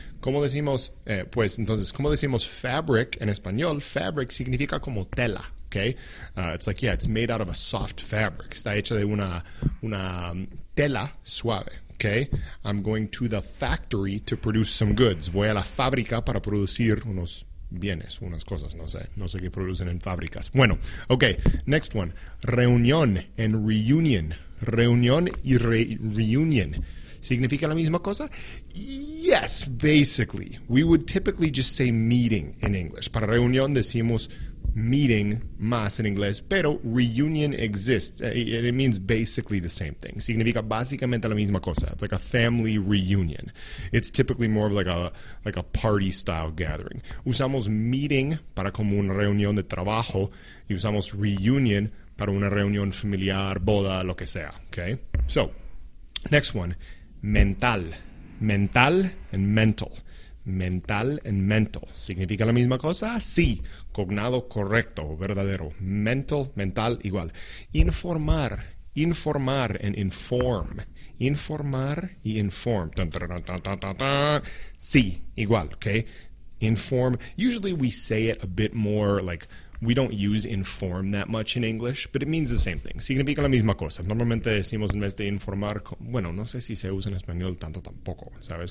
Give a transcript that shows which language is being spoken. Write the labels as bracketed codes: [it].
[es] ¿Cómo decimos, ¿cómo decimos fabric en español? Fabric significa como tela, okay? [en] It's like, yeah, it's made out of a soft fabric. [es] Está hecha de una tela suave, [en] okay? I'm going to the factory to produce some goods. [es] Voy a la fábrica para producir unos bienes, unas cosas, no sé qué producen en fábricas. Bueno, [en] okay, next one. Reunión and reunion. [es] Reunión y reunion. ¿Significa la misma cosa? [en] Yes, basically. We would typically just say meeting in English. [es] Para reunión decimos meeting más en inglés, pero [en] reunion exists. It means basically the same thing. [es] Significa básicamente la misma cosa. [en] It's like a family reunion. It's typically more of like a party style gathering. [es] Usamos meeting para como una reunión de trabajo y usamos reunion para una reunión familiar, boda, lo que sea. [en] Okay? So, next one. Mental and mental. [es] ¿Significa la misma cosa? Sí. Cognado correcto, verdadero. Mental, igual. [en] Informar and inform. [es] Informar y inform. Dun, dun, dun, dun, dun, dun, dun. Sí, igual, [en] okay? Inform. Usually we say it a bit more like we don't use inform that much in English, but it means the same thing. [es] Significa la misma cosa. Normalmente decimos en vez de informar, bueno, no sé si se usa en español tanto tampoco, ¿sabes?